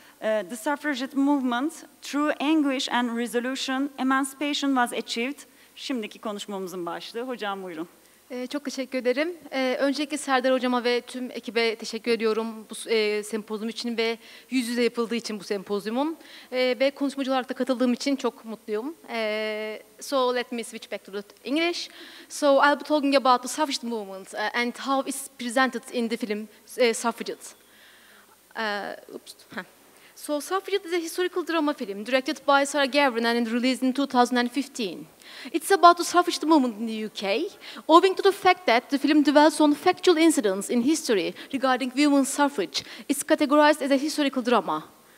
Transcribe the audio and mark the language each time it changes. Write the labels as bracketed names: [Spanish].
[English] The suffragette movement, through anguish and resolution, emancipation was achieved. [Turkish] Şimdiki konuşmamızın başlığı. Hocam buyurun. Çok teşekkür ederim. Öncelikle Serdar Hocama ve tüm ekibe teşekkür ediyorum bu sempozyum için ve yüz yüze yapıldığı için bu sempozyumun. Ve konuşmacı olarak da katıldığım için çok mutluyum. [English] So let me switch back to the English. So I'll be talking about the suffragette movement and how it's presented in the film Suffragette. So Suffragette is a historical drama film directed by Sarah Gavran and released in 2015. It's about the suffragette movement in the UK, owing to the fact that the film dwells on factual incidents in history regarding women's suffrage, it's categorized as a historical drama.